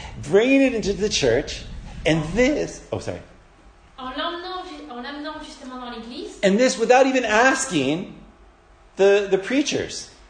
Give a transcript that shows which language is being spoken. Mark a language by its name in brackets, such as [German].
[English] Bringing it into the church, and this, oh sorry. [French] En l'amenant justement dans l'église. [English] And this without even asking the preachers.